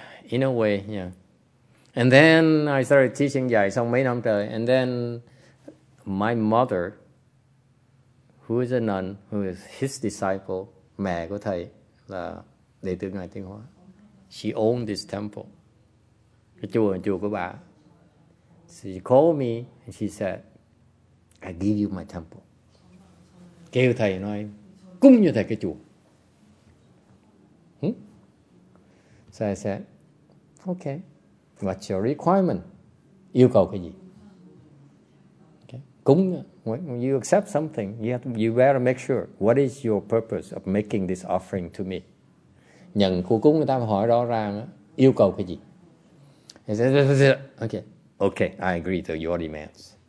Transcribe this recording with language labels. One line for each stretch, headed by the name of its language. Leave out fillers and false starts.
English: In a way, yeah. And then I started teaching
Vietnamese: dạy xong mấy năm trời.
English: And then my mother, who is a nun, who is his disciple,
Vietnamese: mẹ của thầy là đệ tử ngài Tiên Hóa.
English: She owned this temple,
Vietnamese: cái chùa của bà.
English: She called me and she said, "I give you my temple."
Vietnamese: Kêu thầy nói, cúng như thầy cái chùa.
English: So I said, "Okay, what's your requirement?"
Vietnamese: Yêu cầu cái gì?
English: Okay. Cúng, when you accept something, you better make sure, what is your purpose of making this offering to me?
Vietnamese: Nhận của cúng người ta hỏi rõ ràng, yêu cầu cái gì?
English: He says, "Okay, okay, I agree to your demands."